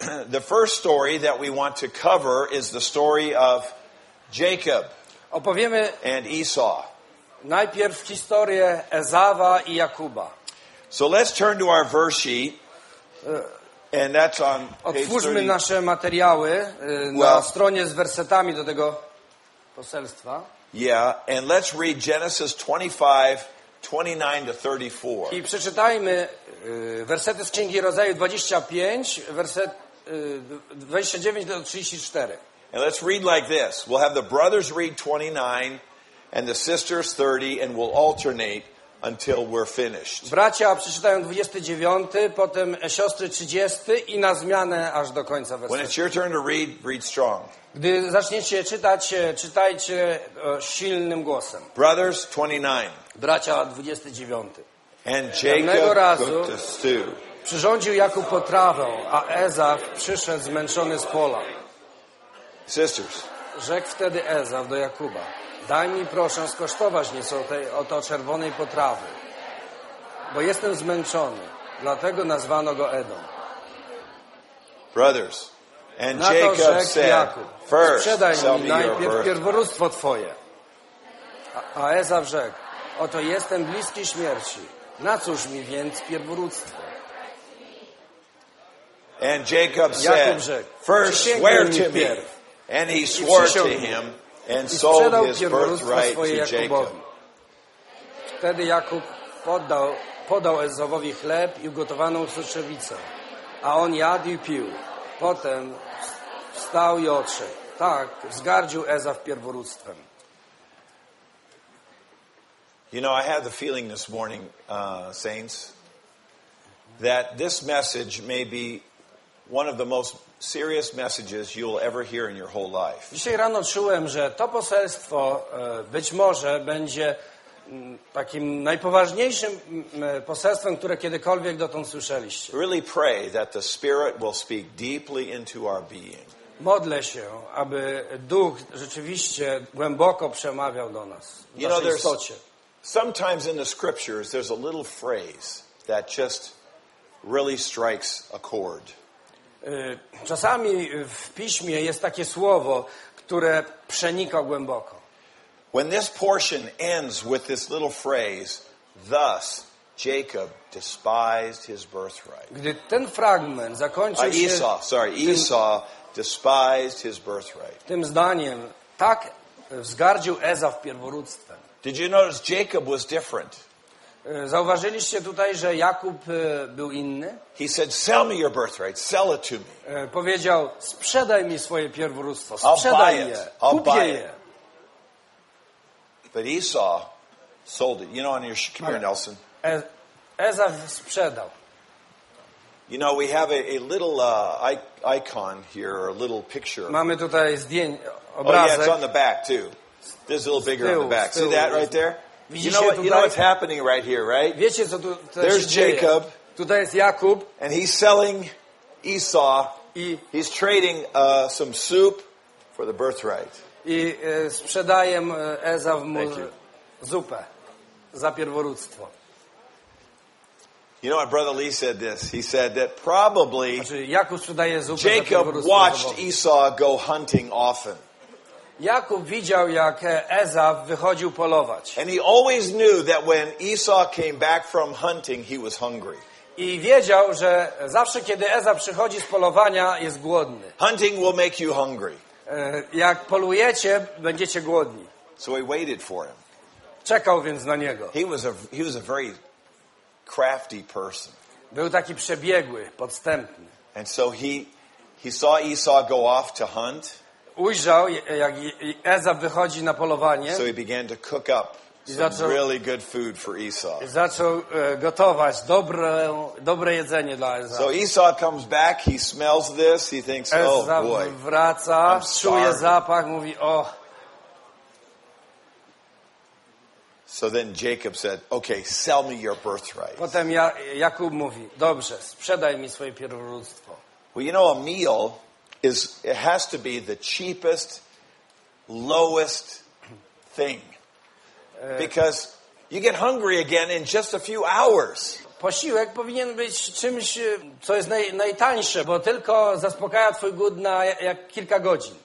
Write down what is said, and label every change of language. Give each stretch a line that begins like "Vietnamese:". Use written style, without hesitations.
English: The first story that we want to cover is the story of Jacob.
Polish: Opowiemy
English: and Esau.
Polish: Najpierw historię Ezawa i Jakuba.
English: So let's turn to our verse sheet. And that's on
Polish: otwórzmy nasze materiały na stronie z wersetami do tego poselstwa.
English: Yeah, and let's read Genesis 25:29-34.
Polish: I przeczytajmy wersety z Księgi Rodzaju 25, werset 29-34.
English: And let's read like this. We'll have the brothers read 29 and the sisters 30 and we'll alternate until we're finished.
Polish: Bracia przeczytają 29, potem siostry 30 i na zmianę aż do końca wersetu.
English: When it's your turn to read, read strong.
Polish: Gdy zaczniecie czytać, czytajcie silnym głosem.
English: Brothers 29.
Polish: Bracia 29.
English: And Jacob cooked a stew.
Polish: Przyrządził Jakub potrawę, a Ezaw przyszedł zmęczony z pola.
English: Sisters.
Polish: Rzekł wtedy Ezaw do Jakuba, daj mi proszę skosztować nieco tej oto czerwonej potrawy, bo jestem zmęczony, dlatego nazwano go Edom.
English: Brothers, and
Polish: na to
English: Jacob
Polish: rzekł
English: said,
Polish: Jakub, sprzedaj mi najpierw pierworództwo twoje. A Ezaw rzekł, oto jestem bliski śmierci, na cóż mi więc pierworództwo?
English: And Jakub said, first swear to me. And he swore to him and sold his birthright to Jacob.
Polish: Wtedy Jakub podał Ezawowi chleb i ugotowaną soczewicę, a on jadł i pił. Potem wstał i odszedł. Tak zgardził Ezaw pierworództwem.
English: You know, I have the feeling this morning, saints, that this message may be one of the most serious messages you'll ever hear in your whole life.
Polish: Dzisiaj rano czułem, że to poselstwo być może będzie takim najpoważniejszym poselstwem, które kiedykolwiek dotąd słyszeliście.
English: Really pray that the Spirit will speak deeply into our being.
Polish: Modlę się, aby Duch rzeczywiście głęboko przemawiał do nas, w naszej istocie.
English: Sometimes in the scriptures there's a little phrase that just really strikes a chord.
Polish: Czasami w piśmie jest takie słowo, które przenika głęboko.
English: When this portion ends with this little phrase, thus Jacob despised his birthright.
Polish: Gdy ten fragment zakończy się
English: Esau despised his birthright.
Polish: Tym zdaniem tak wzgardził Ezaw pierworództwem.
English: Did you notice Jacob was different?
Polish: Zauważyliście tutaj, że Jakub był inny?
English: He said, sell me your birthright, sell it to me.
Polish: Powiedział, sprzedaj mi swoje pierworództwo, sprzedaj je, kupię je.
English: But Esau sold it. You know, on your, come here, Nelson.
Polish: Ezaw sprzedał.
English: You know, we have a little icon here, or a little picture.
Polish: Mamy tutaj zdjęcie, obrazek.
English: Oh, yeah, it's on the back, too. This is a little bigger on the back. See that right there? You know what's happening right here, right?
Polish: Wiecie, co tu, co
English: There's Jacob.
Polish: Tutaj jest Jakub.
English: And he's selling Esau. He's trading some soup for the birthright.
Polish: I sprzedaję Ezaw mu zupę za pierworództwo.
English: You know what Brother Lee said this? He said that probably Jacob watched Esau go hunting often.
Polish: Jakub widział, jak Ezaw wychodził polować.
English: And he always knew that when Esau came back from hunting, he was hungry.
Polish: I wiedział, że zawsze, kiedy Ezaw przychodzi z polowania, jest głodny.
English: Hunting will make you hungry.
Polish: Jak polujecie, będziecie głodni.
English: So he waited for him.
Polish: Czekał więc na niego.
English: He was a very crafty person.
Polish: Był taki przebiegły, podstępny.
English: And so he saw Esau go off to hunt.
Polish: Ujrzał, jak Ezaw wychodzi na polowanie.
English: So he began to cook up some really good food for Esau.
Polish: Zaczął gotować dobre jedzenie dla Ezawa.
English: So Esau comes back, he smells this, he thinks,
Polish: Ezaw
English: oh boy.
Polish: Wraca, czuje zapach, mówi oh.
English: So then Jacob said, okay, sell me your birthright.
Polish: Potem Jakub mówi, dobrze, sprzedaj mi swoje pierworództwo.
English: Well, you know, a meal is, it has to be the cheapest, lowest thing. Because you get hungry again in just a few hours.
Polish: Posiłek powinien być czymś, co jest najtańsze, bo tylko zaspokaja twój głód na jak kilka godzin.